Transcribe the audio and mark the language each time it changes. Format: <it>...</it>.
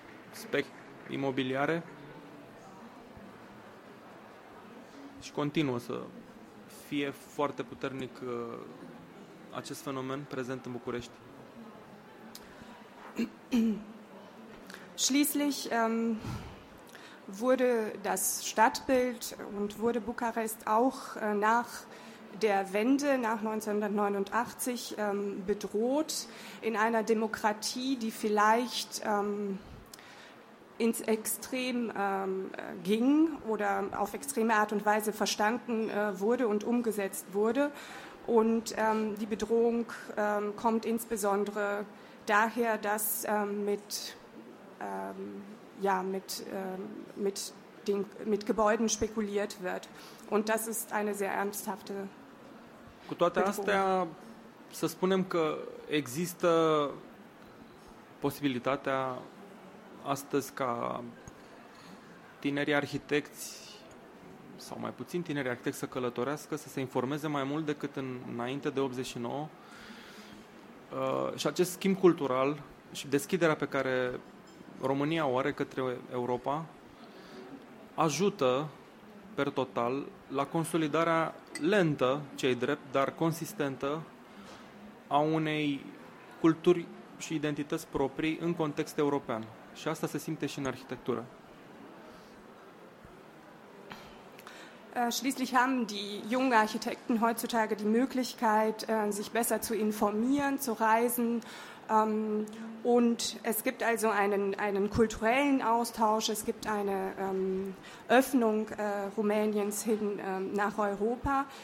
<ro>spec imobiliare și continuă să fie foarte puternic acest fenomen prezent în București.</ro> <de>Schließlich wurde das Stadtbild und wurde Bukarest auch nach der Wende, nach 1989, bedroht in einer Demokratie, die vielleicht ins Extrem ging oder auf extreme Art und Weise verstanden wurde und umgesetzt wurde. Und die Bedrohung kommt insbesondere daher, dass mit Gebäuden spekuliert wird. Und das ist eine sehr ernsthafte</de> <ro>Cu toate astea, să spunem că există posibilitatea astăzi ca tinerii arhitecți sau mai puțin tineri arhitecți să călătorească, să se informeze mai mult decât înainte de 89. Și acest schimb cultural și deschiderea pe care România o are către Europa ajută per total la consolidarea lentă, ce-i drept, dar consistentă a unei culturi și identități proprii în context european. Și asta se simte și în arhitectură.</ro> <de>Schließlich haben die jungen Architekten heutzutage die Möglichkeit, sich besser zu informieren, zu reisen. Und es gibt also einen kulturellen Austausch, es gibt eine Öffnung Rumäniens hin nach Europa.</de>